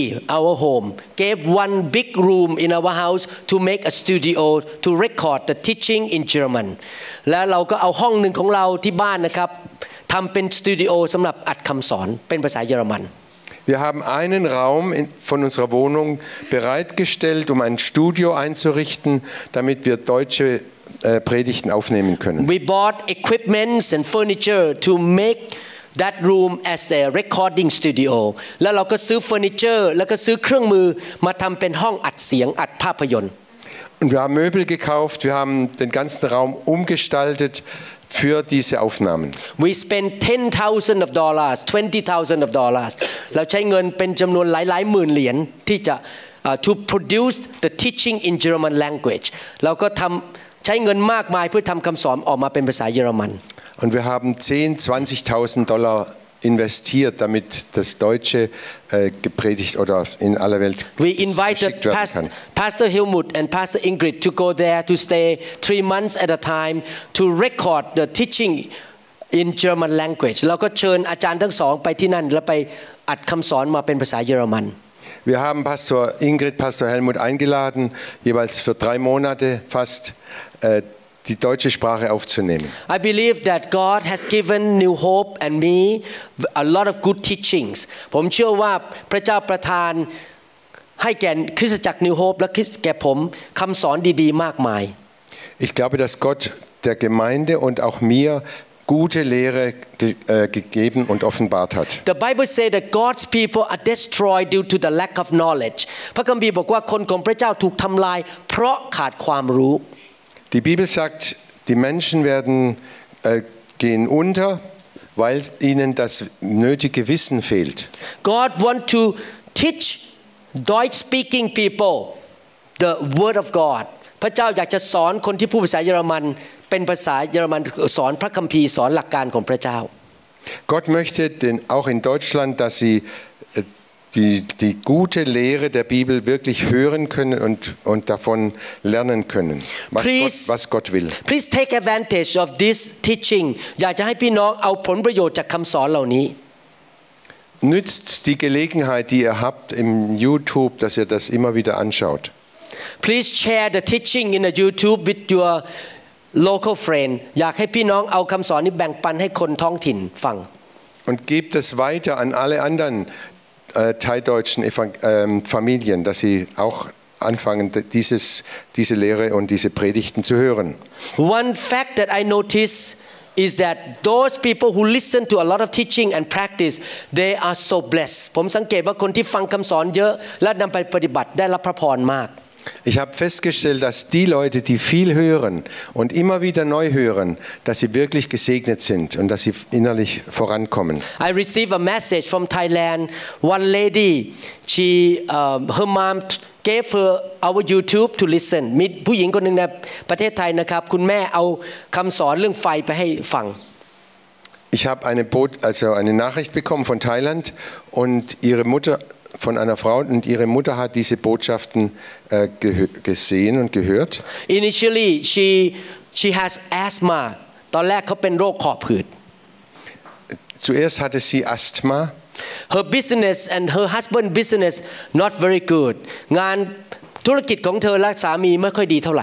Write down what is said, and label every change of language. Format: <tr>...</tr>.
<en>Our home, gave one big room in our house to make a studio to record the teaching in German.</en> <th>แล้วเราก็เอาห้องหนึ่งของเราที่บ้านนะครับทำเป็นสตูดิโอสำหรับอัดคำสอนเป็นภาษาเยอรมัน</th> <de>Wir haben einen Raum von unserer Wohnung bereitgestellt, um ein Studio einzurichten, damit wir deutsche Predigten aufnehmen können.</de> <en>We bought equipment and furniture to make that room as a recording studio.</en> <th>แล้วเราก็ซื้อ furniture แล้วก็ซื้อเครื่องมือมาทำเป็นห้องอัดเสียงอัดภาพยนตร์</th> <de>Und wir haben Möbel gekauft, wir haben den ganzen Raum umgestaltet. Für diese Aufnahmen.</de> <en>We spend $10,000, $20,000.</en> <th>เราใช้เงินเป็นจำนวนหลายหมื่นเหรียญที่จะ</th> <en>to produce the teaching in German language.</en> <th>เราก็ทำใช้เงินมากมายเพื่อทำคำสอนออกมาเป็นภาษาเยอรมัน</th> <de>Und wir haben $10,000-$20,000 investiert, damit das Deutsche gepredigt oder in aller Welt geschickt werden kann.</de> <en>We invited Pastor Helmut and Pastor Ingrid to go there to stay 3 months at a time to record the teaching in German language.</en> <th>แล้วก็เชิญอาจารย์ทั้งสองไปที่นั่นแล้วไปอัดคำสอนมาเป็นภาษาเยอรมัน</th> <de>Wir haben Pastor Ingrid, Pastor Helmut eingeladen, jeweils für 3 Monate fast die deutsche Sprache aufzunehmen.</de> <en>I believe that God has given New Hope and me a lot of good teachings.</en> <th>ผมเชื่อว่าพระเจ้าประทานให้แก่คริสตจักร New Hope และแก่ผมคำสอนดีๆมากมาย</th> <de>Ich glaube, dass Gott der Gemeinde und auch mir gute Lehre gegeben und offenbart hat.</de> <en>The Bible says that God's people are destroyed due to the lack of knowledge.</en> <th>พระคัมภีร์บอกว่าคนของพระเจ้าถูกทำลายเพราะขาดความรู้</th> <de>Die Bibel sagt, die Menschen werden gehen unter, weil ihnen das nötige Wissen fehlt.</de> <en>God want to teach Deutsch speaking people the word of God.</en> <th>พระเจ้าอยากจะสอนคนที่พูดภาษาเยอรมันเป็นภาษาเยอรมันสอนพระคัมภีร์สอนหลักการของพระเจ้า</th> <de>Gott möchte denn auch in Deutschland, dass sie die gute Lehre der Bibel wirklich hören können und davon lernen können, was Gott will.</de> <en>Please take advantage of this teaching.</en> <th>อยากจะให้พี่น้องเอาผลประโยชน์จากคำสอนเหล่านี้</th> <de>Nutzt die Gelegenheit, die ihr habt im YouTube, dass ihr das immer wieder anschaut.</de> <en>Please share the teaching in the YouTube with your local friend.</en> <th>อยากให้พี่น้องเอาคำสอนนี้แบ่งปันให้คนท้องถิ่นฟัง</th> <de>Und gebt es weiter an alle anderen. Thai-deutschen Familien, dass sie auch anfangen, diese Lehre und diese Predigten zu hören.</de> <en>One fact that I notice is that those people who listen to a lot of teaching and practice, they are so blessed.</en> <th>ผมสังเกตว่าคนที่ฟังคำสอนเยอะและนำไปปฏิบัติได้รับพระพรมาก</th> <de>Ich habe festgestellt, dass die Leute, die viel hören und immer wieder neu hören, dass sie wirklich gesegnet sind und dass sie innerlich vorankommen.</de> <en>I received a message from Thailand. One lady, she, her mom gave her our YouTube to listen.</en> <th>มีผู้หญิงคนนึงในประเทศไทยนะครับคุณแม่เอาคำสอนเรื่องไฟไปให้ฟัง</th> <de>Ich habe eine Nachricht bekommen von Thailand und ihre Mutter. Von einer Frau und ihre Mutter hat diese Botschaften gesehen und gehört.</de> <en>Initially, she has asthma.</en> <th>ตอนแรกเขาเป็นโรคหอบหืด</th> <de>Zuerst hatte sie Asthma.</de> <en>Her business and her husband's business not very good.</en> <th>งานธุรกิจของเธอและสามีไม่ค่อยดีเท่าไหร</th>